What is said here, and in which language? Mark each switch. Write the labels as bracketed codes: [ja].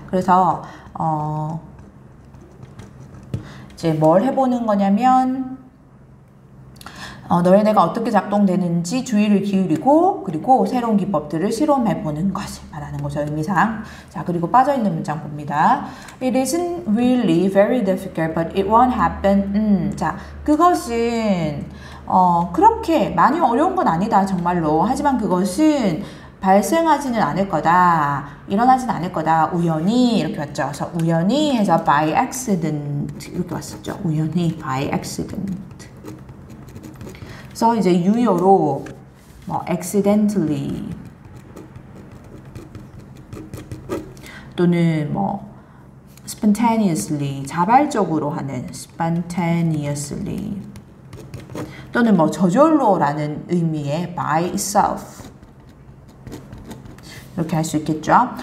[ko] 그래서 이제 뭘 해보는 거냐면 너의 뇌가 어떻게 작동되는지 주의를 기울이고 그리고 새로운 기법들을 실험해보는 것을 말하는 거죠, 의미상. 자, 그리고 빠져있는 문장 봅니다. [en] It isn't really very difficult, but it won't happen. [ko] 자, 그것은 그렇게 많이 어려운 건 아니다, 정말로. 하지만 그것은 발생하지는 않을 거다, 일어나지는 않을 거다, 우연히 이렇게 왔죠. 그래서 우연히 해서 by accident 이렇게 왔었죠. 우연히 by accident. 그래서 이제 유효로 뭐 accidentally 또는 뭐 spontaneously 자발적으로 하는 spontaneously 또는 뭐 저절로라는 의미의 by itself 이렇게 할 수 있겠죠.